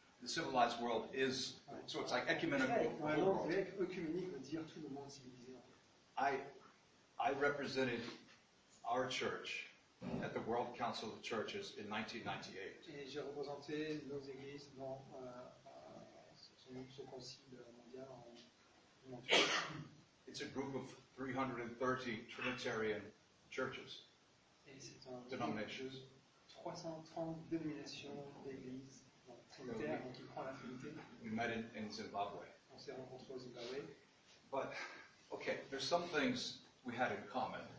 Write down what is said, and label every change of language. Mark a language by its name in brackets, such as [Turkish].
[English] The civilized world is, ouais. So it's like ecumenical. [French] En anglais, œcuménique veut dire tout le monde civilisé. [English] I represented our church at the World Council of Churches in 1998. [French] Et j'ai représenté nos églises dans ce concile mondial en 1998. [English] It's a group of 330 Trinitarian churches. [French] Et c'est un groupe de 330 dénominations d'églises trinitaires qui croient la Trinité. [English] We met in Zimbabwe. [French] On s'est rencontrés au Zimbabwe. [English] But, okay, there's some things we had in common.